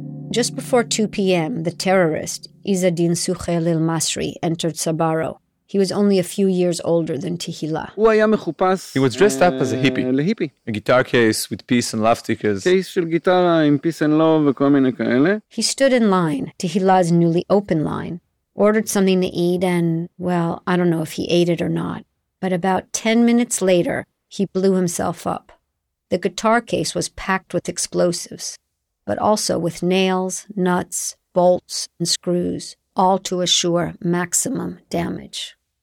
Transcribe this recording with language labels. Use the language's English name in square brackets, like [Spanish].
[English] Just before 2 p.m., the terrorist, Izzadin Sukhel Masri, entered Sbarro. He was only a few years older than Tehila. He was dressed up as a hippie. A guitar case with peace and love stickers. [Hebrew] Case של גיטרה עם [English] peace and love [Hebrew] וכל מיני כאלה. [English] He stood in line, Tehila's newly open line, ordered something to eat and, well, I don't know if he ate it or not. But about 10 minutes later, he blew himself up. The guitar case was packed with explosives, but also with nails, nuts, bolts, and screws, all to assure maximum damage.